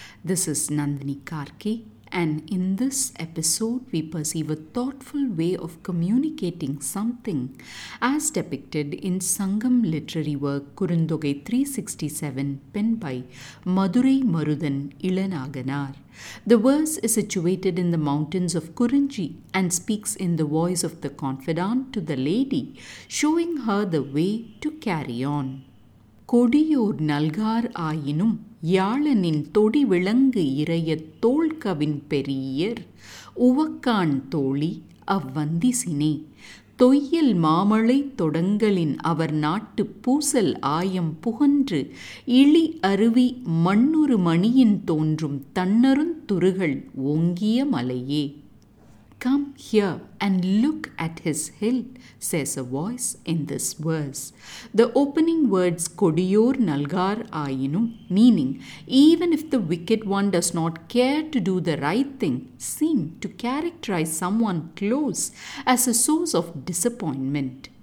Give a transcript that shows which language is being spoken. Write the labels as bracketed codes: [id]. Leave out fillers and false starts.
[en] This is Nandini Karke, and in this episode we perceive a thoughtful way of communicating something as depicted in Sangam literary work Kurundogai 367 penned by Madurai Marudan Ilanaganar. The verse is situated in the mountains of Kurunji and speaks in the voice of the confidant to the lady, showing her the way to carry on. [ta] கொடியோர் நல்கார் ஆயினும் யாழனின் தொடி விளங்கு இறைய தோள்கவின் பெரியர் உவக்கான் தோழி அவ்வந்திசினே தொய்யல் மாமளை தொடங்களின் அவர் நாட்டு பூசல் ஆயம் புகன்று இழி அருவி மண்ணுறு மணியின் தோன்றும் தன்னருந்துருகள் ஓங்கிய மலையே. [en] Come here and look at his hill, says a voice in this verse. The opening words Kodiyor Nalgar Ayinum, meaning even if the wicked one does not care to do the right thing, seem to characterize someone close as a source of disappointment.